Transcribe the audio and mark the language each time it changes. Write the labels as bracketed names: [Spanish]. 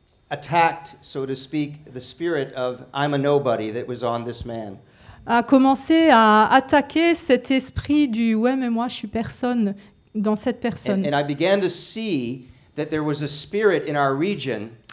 [English] attacked, so to speak, the spirit of I'm a nobody that was on this man. [French] A commencé à attaquer cet esprit du ouais mais moi je suis personne dans cette personne. [English] And I began to see that there was a spirit in our region.